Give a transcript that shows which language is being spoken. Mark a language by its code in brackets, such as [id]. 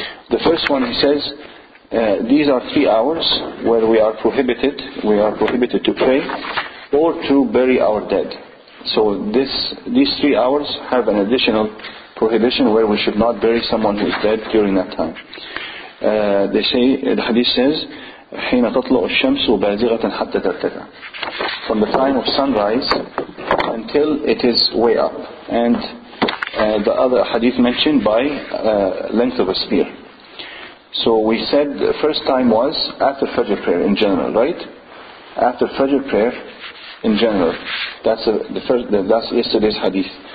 [en] The first one, he says, these are 3 hours where we are prohibited to pray or to bury our dead. So these 3 hours have an additional prohibition where we should not bury someone who is dead during that time. The hadith says, [ar] حين تطلع الشمس بازغة حتى ترتفع. [en] From the time of sunrise until it is way up. And the other hadith mentioned by length of a spear. So we said the first time was after Fajr prayer in general, right? After Fajr prayer in general. That's yesterday's hadith.